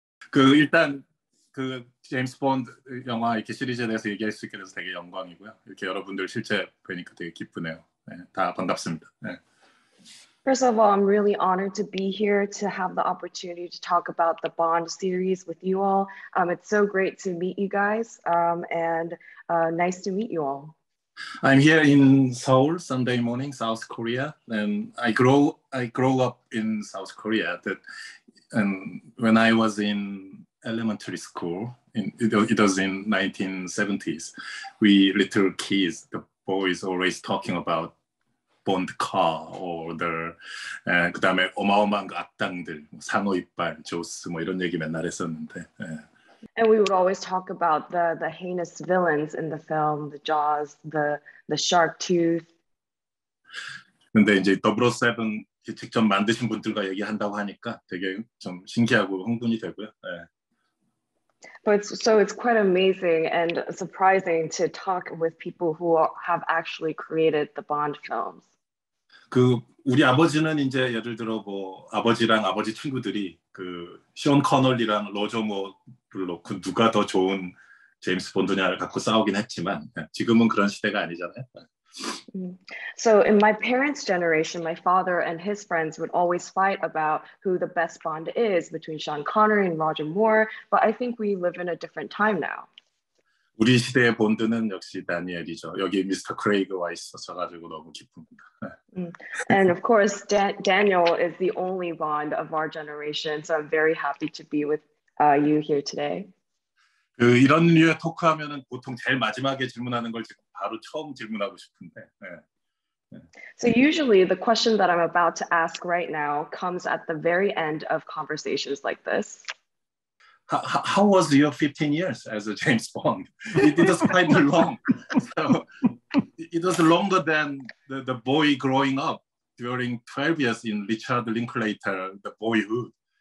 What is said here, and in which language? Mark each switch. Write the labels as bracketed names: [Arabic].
[Korean] 그 일단 그 제임스 본드 영화 이렇게 시리즈에 대해서 얘기할 수 있게 돼서 되게 영광이고요. 이렇게 여러분들 실제 뵈니까 되게 기쁘네요. 네, 다 반갑습니다. 네. [English] First of all, I'm really honored to be here to have the opportunity to talk about the Bond series with you all. It's so great to meet you guys, nice to meet you all. I'm here in Seoul, Sunday morning, South Korea, and I grew up in South Korea. That, and when I was in elementary school, it was in 1970s, we little kids, the boys always talking about Bond car or the [Korean] 그다음에 어마어마한 악당들 상어 이빨 조스 뭐 이런 얘기 맨날 했었는데. 에. [English] And we would always talk about the heinous villains in the film, the jaws, the shark tooth. [Korean] 근데 이제 007 직접 만드신 분들과 얘기한다고 하니까 되게 좀 신기하고 흥분이 되고요. 에. [English] But it's quite amazing and surprising to talk with people who have actually created the Bond films. [Korean] 그 우리 아버지는 이제 예를 들어 뭐 아버지랑 아버지 친구들이 그 션 커널리랑 로저 모를 놓고 누가 더 좋은 제임스 본드냐를 갖고 싸우긴 했지만 지금은 그런 시대가 아니잖아요. [English] So in my parents' generation, my father and his friends would always fight about who the best Bond is between Sean Connery and Roger Moore. But I think we live in a different time now. [Korean] 우리 시대의 본드는 역시 다니엘이죠. 여기 미스터 크레이그와 있어서 가지고 너무 기쁩니다. [English] And of course, Daniel is the only Bond of our generation. So I'm very happy to be with you here today. [Korean] 그 이런 류의 토크하면은 보통 제일 마지막에 질문하는 걸 지금 바로 처음 질문하고 싶은데. 네. [English] So usually the question that I'm about to ask right now comes at the very end of conversations like this. How was your 15 years as a James Bond? It was quite long. So it was longer than the boy growing up during 12 years in Richard Linklater, the boyhood.